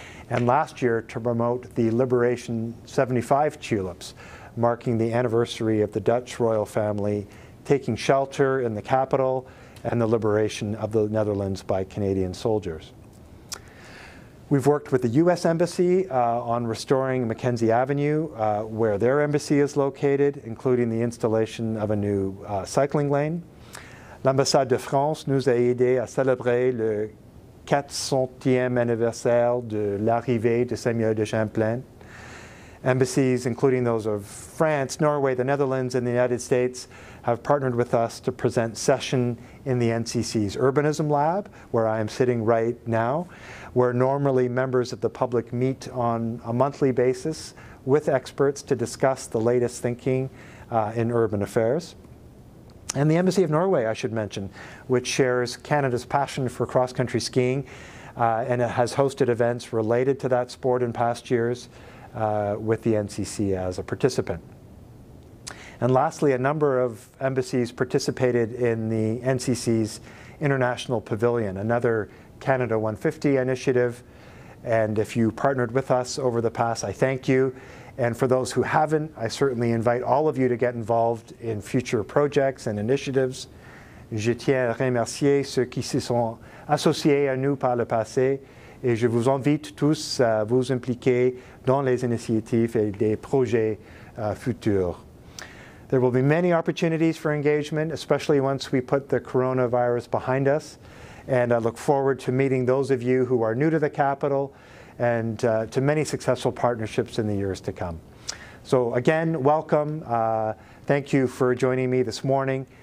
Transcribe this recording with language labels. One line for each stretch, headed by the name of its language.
English: And last year, to promote the Liberation 75 tulips, marking the anniversary of the Dutch royal family taking shelter in the capital and the liberation of the Netherlands by Canadian soldiers. We've worked with the U.S. Embassy on restoring Mackenzie Avenue, where their embassy is located, including the installation of a new cycling lane.
French: L'ambassade de France nous a aidé à célébrer le 400e anniversaire de l'arrivée de Seigneur de Champlain.
English: Embassies, including those of France, Norway, the Netherlands, and the United States, have partnered with us to present session in the NCC's Urbanism Lab, where I am sitting right now, where normally members of the public meet on a monthly basis with experts to discuss the latest thinking in urban affairs. And the Embassy of Norway, I should mention, which shares Canada's passion for cross-country skiing and has hosted events related to that sport in past years with the NCC as a participant. And lastly, a number of embassies participated in the NCC's International Pavilion, another Canada 150 initiative. And if you partnered with us over the past, I thank you. And for those who haven't, I certainly invite all of you to get involved in future projects and initiatives.
French: Je tiens à remercier ceux qui se sont associés à nous par le passé, et je vous invite tous à vous impliquer dans les initiatives et des projets futurs.
English: There will be many opportunities for engagement, especially once we put the coronavirus behind us. And I look forward to meeting those of you who are new to the capital and to many successful partnerships in the years to come. So again, welcome. Thank you for joining me this morning.